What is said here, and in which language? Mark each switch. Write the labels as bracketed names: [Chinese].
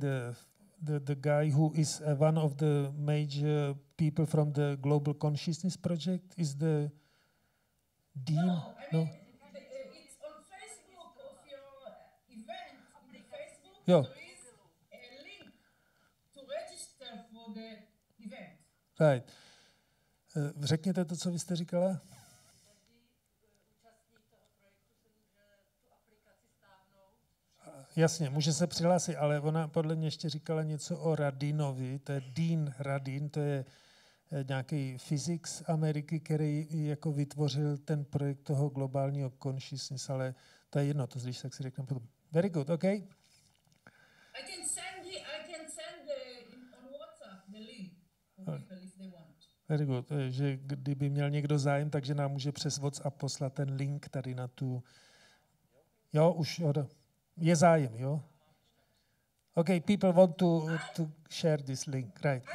[English] The guy who is one of the major people from the Global Consciousness Project, is the dean? No. It's on Facebook of your event, on Facebook, [Czech] jo. [English] There is a link to register for the event. Right. [Czech] Řekněte to, co vy jste říkala? Jasně, může se přihlásit, ale ona podle mě ještě říkala něco o Radinovi, to je Dean Radin, to je nějaký fyzik z Ameriky, který jako vytvořil ten projekt toho globálního consciousness, ale to je jedno, to zdiš, tak si řekneme potom. [English] Very good, OK? I can send on WhatsApp the link for people if they want. Very good, [Czech] že kdyby měl někdo zájem, takže nám může přes WhatsApp poslat ten link tady na tu... Jo, už, hoda. Je zájem, jo? [English] Okay, people want to share this link, right?